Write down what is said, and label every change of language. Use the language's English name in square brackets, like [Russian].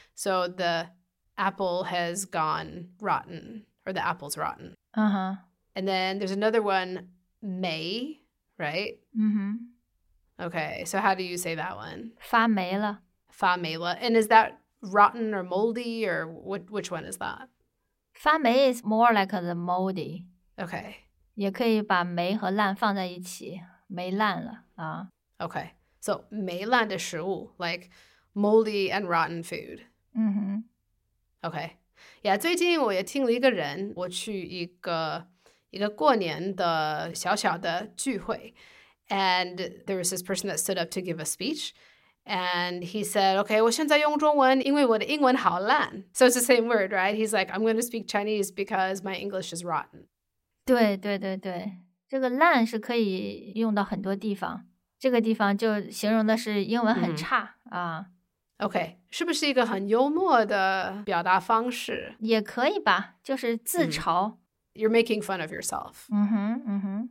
[English] So, the apple has gone rotten or the apple's rotten. Uh-huh. And then there's another one, 霉, right? Mm-hmm. Okay. So, how do you say that one? [Chinese] 发霉了. 发霉了. [English] And is that... Rotten or moldy, or which one is that? 发霉 is more like the moldy. Okay. [Chinese] 也可以把霉和烂放在一起，霉烂了啊。 [English] Okay. So, [Chinese] 霉烂的食物, [English] like moldy and rotten food. Mm-hmm. Okay. Yeah, [Chinese] 最近我也听了一个人，我去一个过年的小小的聚会, [English] and there was this person that stood up to give a speech,And he said, okay, [Chinese] 我现在用中文因为我的英文好烂。 [English] So it's the same word, right? He's like, I'm going to speak Chinese because my English is rotten. [Chinese] 对对对对。这个烂是可以用到很多地方。这个地方就形容的是英文很差、mm-hmm. 啊。 Okay, 是不是一个很幽默的表达方式？也可以吧,就是自嘲。Mm-hmm. [English] You're making fun of yourself. Mm-hmm, mm-hmm.